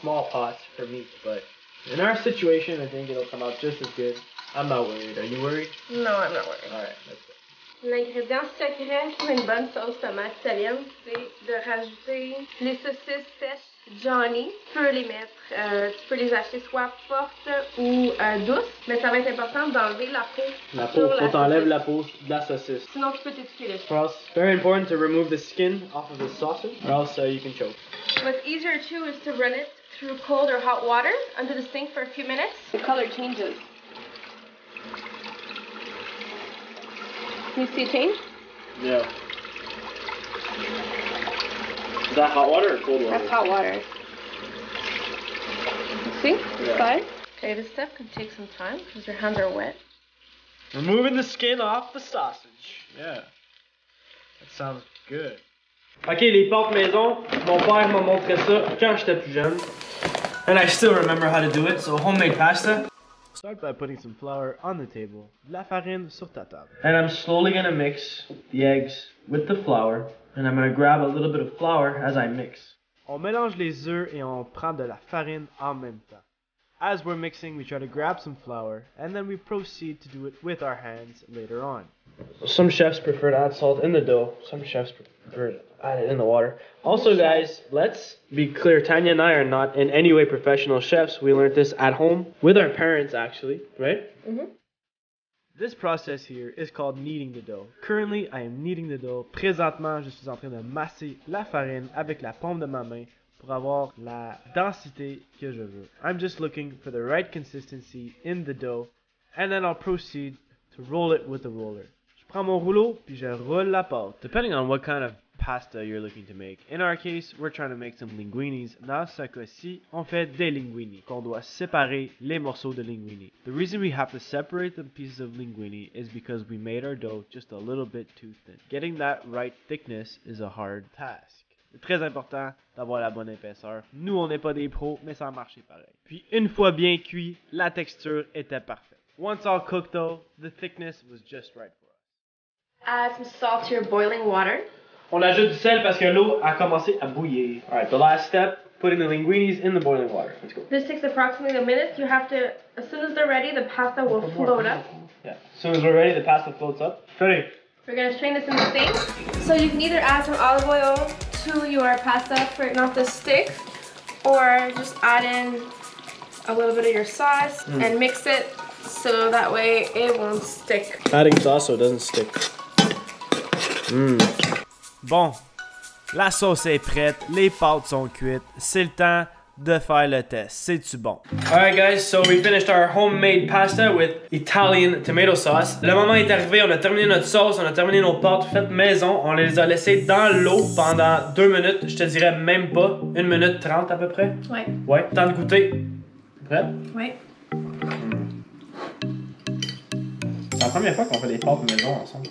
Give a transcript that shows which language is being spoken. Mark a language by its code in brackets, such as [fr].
[en] Because we're only two, we're using a smaller one, which I think this is supposed to be big for two people. But in our situation, I think it'll come out just as good. I'm not worried. Are you worried? No, I'm not worried. All right, let's go. [fr] L'ingrédient secret pour une bonne sauce tomate italienne, c'est de rajouter les saucisses sèches Johnny. Tu peux les acheter soit fortes ou douces, mais ça va être important d'enlever la peau. La peau, sur la faut t'enlèves la peau de la saucisse. Sinon, tu peux t'étouffer. [en] It's very important to remove the skin off of the sausage, or else you can choke. What's easier too is to run it through cold or hot water under the sink for a few minutes. The color changes. Can you see a change? Yeah. Is that hot water or cold water? That's hot water. See? Yeah. Fine. Okay, this stuff can take some time because your hands are wet. Removing the skin off the sausage. Yeah. That sounds good. Okay, [fr] les porte-maison. Mon père m'a montré ça quand j'étais plus jeune. [en] And I still remember how to do it, so homemade pasta. Start by putting some flour on the table, [fr] la farine sur ta table. [en] And I'm slowly gonna mix the eggs with the flour, and I'm gonna grab a little bit of flour as I mix. [fr] On mélange les œufs et on prend de la farine en même temps. [en] As we're mixing, we try to grab some flour, and then we proceed to do it with our hands later on. Some chefs prefer to add salt in the dough, some chefs prefer to add it in the water. Also guys, let's be clear, Tanya and I are not in any way professional chefs. We learned this at home, with our parents actually, right? This process here is called kneading the dough. Currently, I am kneading the dough. [fr] Présentement, je suis en train de masser la farine avec la paume de ma main pour avoir la densité que je veux. [en] I'm just looking for the right consistency in the dough, and then I'll proceed to roll it with the roller. [fr] Prends mon rouleau, puis je roule la pâte. [en] Depending on what kind of pasta you're looking to make. In our case, we're trying to make some linguinis. [fr] Dans ce cas-ci, on fait des linguinis, qu'on doit séparer les morceaux de linguini. [en] The reason we have to separate the pieces of linguini is because we made our dough just a little bit too thin. Getting that right thickness is a hard task. [fr] C'est très important d'avoir la bonne épaisseur. Nous, on n'est pas des pros, mais ça a marché pareil. Puis une fois bien cuit, la texture était parfaite. [en] Once all cooked though, the thickness was just right. Add some salt to your boiling water. [fr] On ajoute du sel parce que l'eau a commencé à bouillir. [en] Alright, the last step, putting the linguinis in the boiling water. Let's go. This takes approximately a minute. You have to, as soon as they're ready, the pasta will float up. Yeah, as soon as we're ready, the pasta floats up. Ready. We're gonna strain this in the sink. So you can either add some olive oil to your pasta for it not to stick, or just add in a little bit of your sauce and mix it so that way it won't stick. Adding sauce so it doesn't stick. [fr] Bon, la sauce est prête, les pâtes sont cuites, c'est le temps de faire le test. C'est-tu bon? Alright guys, so we finished our homemade pasta with Italian tomato sauce. Le moment est arrivé, on a terminé notre sauce, on a terminé nos pâtes faites maison. On les a laissées dans l'eau pendant 2 minutes, je te dirais même pas, 1 minute 30 à peu près. Ouais. Ouais, temps de goûter. Prêt? Ouais. C'est la première fois qu'on fait des pâtes maison ensemble.